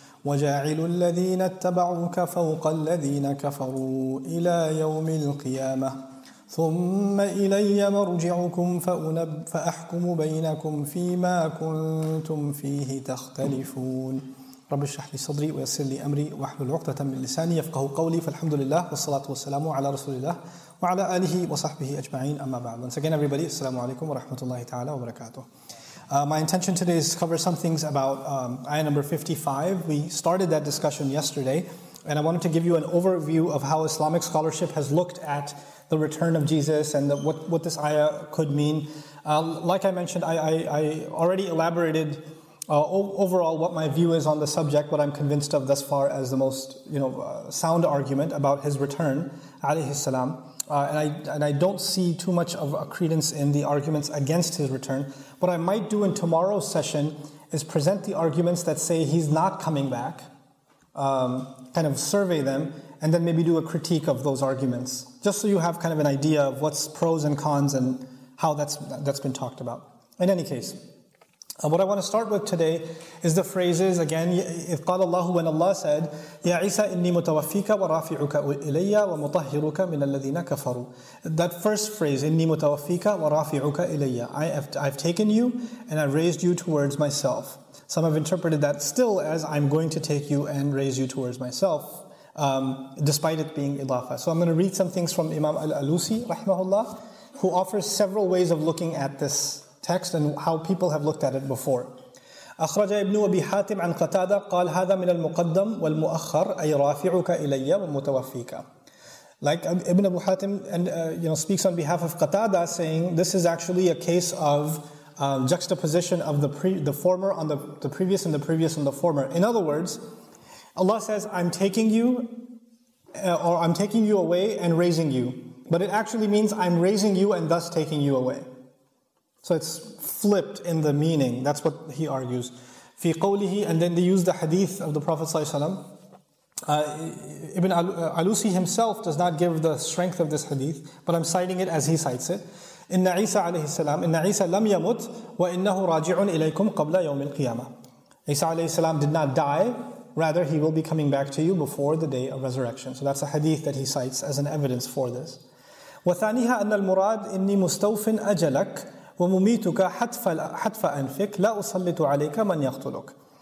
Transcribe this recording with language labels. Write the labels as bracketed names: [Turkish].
[Arabic] وجاعل الذين اتبعوك فوق الذين كفروا إلى يوم القيامة ثم إلي مرجعكم فأحكم بينكم فيما كنتم فيه تختلفون رب اشرح لي صدري ويسر لي أمري واحلل عقدة من لساني يفقه قولي فالحمد لله والصلاة والسلام على رسول الله وعلى آله وصحبه أجمعين أما بعد. [English] Once again everybody, [Arabic] السلام عليكم ورحمة الله تعالى وبركاته. [English] My intention today is to cover some things about ayah number 55. We started that discussion yesterday, and I wanted to give you an overview of how Islamic scholarship has looked at the return of Jesus and what this ayah could mean. Like I mentioned, I already elaborated overall what my view is on the subject, what I'm convinced of thus far as the most sound argument about his return, alayhi salam. And I don't see too much of a credence in the arguments against his return. What I might do in tomorrow's session is present the arguments that say he's not coming back, kind of survey them, and then maybe do a critique of those arguments, just so you have kind of an idea of what's pros and cons and how that's been talked about. In any case, what I want to start with today is the phrases again. If [Arabic] قال الله, [English] when Allah said, [Arabic] يا عيسى إني متوفيك ورافعك إلي ومطهرك من الذين كفروا. [English] That first phrase, [Arabic] إني متوفيك ورافعك إلي. [English] I've taken you and I've raised you towards myself. Some have interpreted that still as I'm going to take you and raise you towards myself, despite it being إضافة. So I'm going to read some things from Imam Al-Alusi, rahimahullah, who offers several ways of looking at this text and how people have looked at it before. [Arabic] أخرج ابن أبي حاتم عن قتادة قال هذا من المقدم والمؤخر أي رافعك إلي ومتوفيك. [English] Like Ibn Abu Hatim and speaks on behalf of Qatada, saying this is actually a case of juxtaposition of the former on the previous and the previous on the former. In other words, Allah says, "I'm taking you," or "I'm taking you away and raising you," but it actually means "I'm raising you and thus taking you away." So it's flipped in the meaning. That's what he argues. [Arabic] في قوله, [English] and then they use the hadith of the Prophet ﷺ. Ibn Alusi himself does not give the strength of this hadith, but I'm citing it as he cites it. [Arabic] إِنَّ عِيسَى عَلَيْهِ السَّلَامِ إِنَّ عِيسَى لَمْ يَمُتْ وَإِنَّهُ رَاجِعٌ إِلَيْكُمْ قَبْلَ يَوْمِ الْقِيَامَةِ. [English] Isa [Arabic] عَلَيْهِ السَّلَامِ [English] did not die, rather he will be coming back to you before the day of resurrection. So that's a hadith that he cites as an evidence for this. [Arabic] وَثَانِهَا أَنَّ الْمُرَادِ إِنِّي مُسْتَوْفٍ أجلك. وَمُمِيتُكَ حَتْفَ أَنْفِكْ لَا أُصَلِّتُ عَلَيْكَ مَنْ يَقْتُلُكَ.